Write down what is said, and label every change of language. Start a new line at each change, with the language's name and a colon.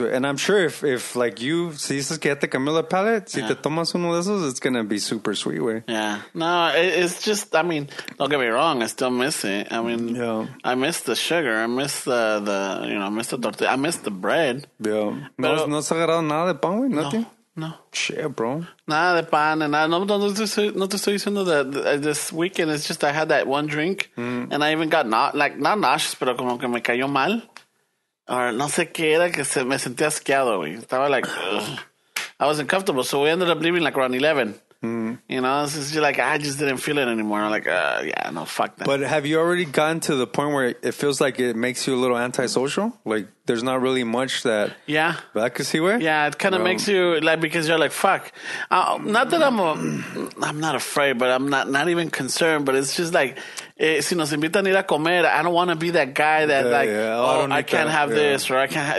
English: And I'm sure if like you,
Spanish: si dices que ya te cambió la paleta, si te tomas uno de esos,
English: it's going to be super sweet,
Spanish: güey.
English: Yeah. No, it's just, I mean, don't get me wrong. I still miss it. I mean, I miss the sugar. I miss the you know, I miss the tortilla. I miss the bread. Yeah.
Spanish: Pero, ¿no has agarrado nada de pan, güey?
English: Nothing? No. Shit, bro.
Spanish: Nada de pan. And no te estoy diciendo
English: that this weekend. It's just I had that one drink. And I even got not nauseous,
Spanish: pero como que me cayó mal. Or no sé qué era, que me sentí asqueado, güey.
English: Estaba like, ugh. I was uncomfortable. So we ended up leaving like around 11. You know, it's just like, I just didn't feel it anymore. I'm like, yeah, no, fuck that. But have you already gotten to the point where it feels like it makes you a little antisocial? Like, there's not really much that... Yeah. That could see where? Yeah, it kind of makes you, like, because you're like, fuck. Not that I'm not afraid, but I'm not even concerned, but it's just like,
Spanish: si nos invitan a ir a comer,
English: I don't want to be that guy that, I can't have this, or I can't have...